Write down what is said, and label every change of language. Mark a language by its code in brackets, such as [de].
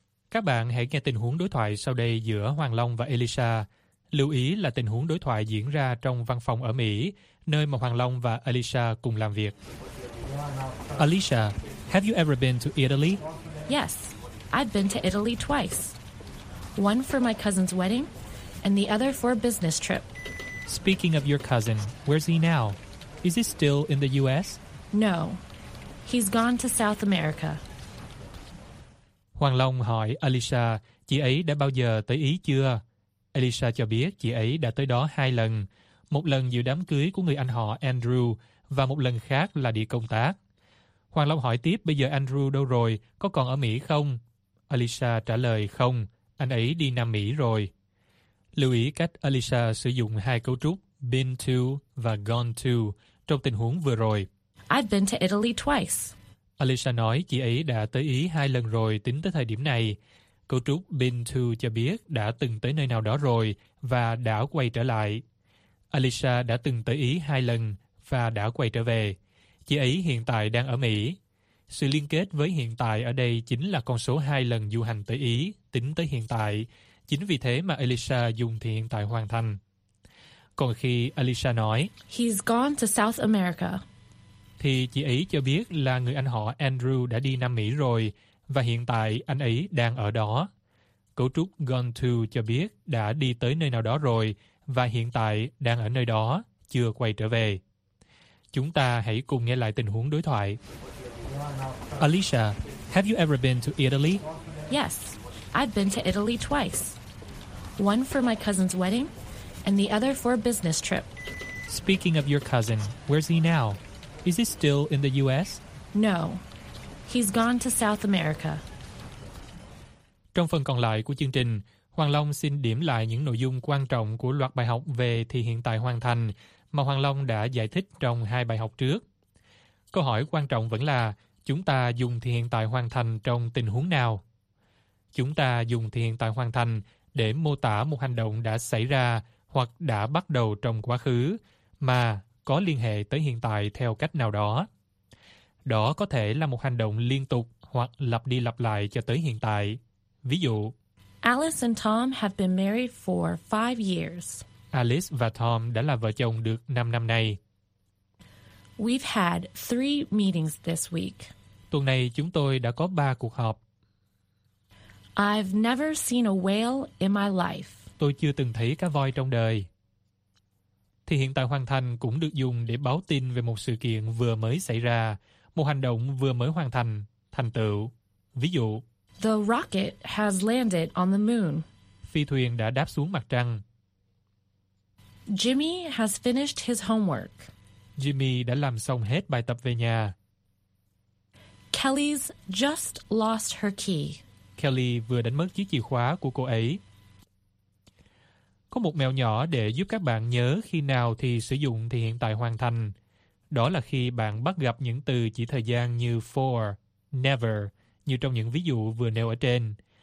[vi] Các bạn hãy nghe tình huống đối thoại sau đây giữa Hoàng Long và Elisa. Lưu ý là tình huống đối thoại diễn ra trong văn phòng ở Mỹ, nơi mà Hoàng Long và Elisa cùng làm việc. [en] Elisa, have you ever been to Italy? Yes, I've been to Italy twice. One for my cousin's wedding and the other for a business trip. Speaking of your cousin, where's he now? Is he still in the US? No, he's gone to South America. [vi] Hoàng Long hỏi Elisa, chị ấy đã bao giờ tới Ý chưa? Elisa cho biết chị ấy đã tới đó hai lần, một lần dự đám cưới của người anh họ Andrew và một lần khác là đi công tác. Hoàng Long hỏi tiếp, bây giờ Andrew đâu rồi? Có còn ở Mỹ không? Alicia trả lời, không, anh ấy đi Nam Mỹ rồi. Lưu ý cách Alicia sử dụng hai cấu trúc been to và gone to trong tình huống vừa rồi. [en] I've been to Italy twice. [vi] Alicia nói chị ấy đã tới Ý hai lần rồi tính tới thời điểm này. Cấu trúc been to cho biết đã từng tới nơi nào đó rồi và đã quay trở lại. Alicia đã từng tới Ý hai lần và đã quay trở về. Chị ấy hiện tại đang ở Mỹ. Sự liên kết với hiện tại ở đây chính là con số hai lần du hành tới Ý tính tới hiện tại. Chính vì thế mà Alicia dùng thì hiện tại hoàn thành. Còn khi Alicia nói [en] He's gone to South America, [vi] thì chị ấy cho biết là người anh họ Andrew đã đi Nam Mỹ rồi và hiện tại anh ấy đang ở đó. Cấu trúc gone to cho biết đã đi tới nơi nào đó rồi và hiện tại đang ở nơi đó, chưa quay trở về. Chúng ta hãy cùng nghe lại tình huống đối thoại. Alicia, have you ever been to Italy? Yes, I've been to Italy twice. One for my cousin's wedding and the other for a business trip. Speaking of your cousin, where's he now? Is he still in the U.S.? No, he's gone to South America. Trong phần còn lại của chương trình, Hoàng Long xin điểm lại những nội dung quan trọng của loạt bài học về thì hiện tại hoàn thành mà Hoàng Long đã giải thích trong hai bài học trước. Câu hỏi quan trọng vẫn là, chúng ta dùng thì hiện tại hoàn thành trong tình huống nào? Chúng ta dùng thì hiện tại hoàn thành để mô tả một hành động đã xảy ra hoặc đã bắt đầu trong quá khứ mà có liên hệ tới hiện tại theo cách nào đó. Đó có thể là một hành động liên tục hoặc lặp đi lặp lại cho tới hiện tại. Ví dụ, [en] Alice and Tom have been married for 5 years. [vi] Alice và Tom đã là vợ chồng được 5 năm nay. [en] We've had 3 meetings this week. [vi] Tuần này chúng tôi đã có 3 cuộc họp. [en] I've never seen a whale in my life. [vi] Tôi chưa từng thấy cá voi trong đời. Thì hiện tại hoàn thành cũng được dùng để báo tin về một sự kiện vừa mới xảy ra, một hành động vừa mới hoàn thành, thành tựu. Ví dụ, [en] The rocket has landed on the moon. [vi] Phi thuyền đã đáp xuống mặt trăng. [en] Jimmy has finished his homework. [vi] Jimmy đã làm xong hết bài tập về nhà. [en] Kelly's just lost her key. [vi] Kelly vừa đánh mất chiếc chìa khóa của cô ấy. Có một mẹo nhỏ để giúp các bạn nhớ khi nào thì sử dụng thì hiện tại hoàn thành. Đó là khi bạn bắt gặp những từ chỉ thời gian như for, never, như trong những ví dụ vừa nêu ở trên.